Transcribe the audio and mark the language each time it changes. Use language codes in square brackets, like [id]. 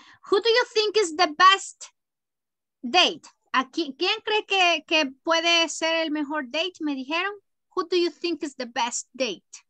[en] Who do you think is the best date? [es] ¿Quién cree que puede ser el mejor date? Me dijeron. [en] Who do you think is the best date?